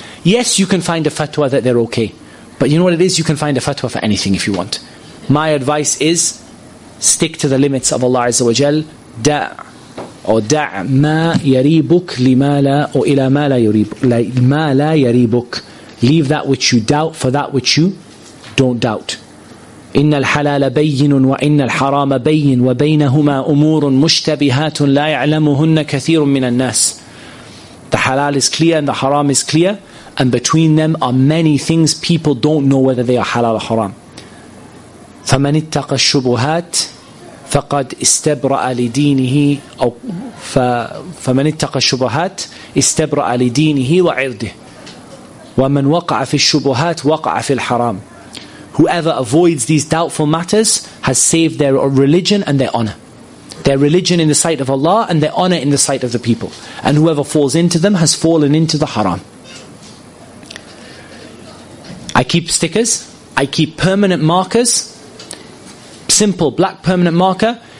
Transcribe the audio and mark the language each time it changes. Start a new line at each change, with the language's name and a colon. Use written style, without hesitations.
English: Yes, you can find a fatwa that they're okay. But you know what it is? You can find a fatwa for anything if you want. My advice is, stick to the limits of Allah Azza wa Jal.
Arabic: Da' or da' ma yaribuk lima la, or ila ma la yaribuk.
English: Leave that which you doubt for that which you don't doubt.
Arabic: إن الحلال بين وإن الحرام بين وبينهما أمور مشتبهات لا يعلمهن كثير من الناس.
English: The halal is clear and the haram is clear, and between them are many things people don't know whether they are halal or haram.
Arabic: فمن اتقى الشبهات فقد استبرأ لدينه أو فمن اتقى الشبهات استبرأ لدينه وعرضه ومن وقع في الشبهات وقع في الحرام.
English: Whoever avoids these doubtful matters has saved their religion and their honor. Their religion in the sight of Allah and their honor in the sight of the people. And whoever falls into them has fallen into the haram. I keep stickers. I keep permanent markers. Simple black permanent marker.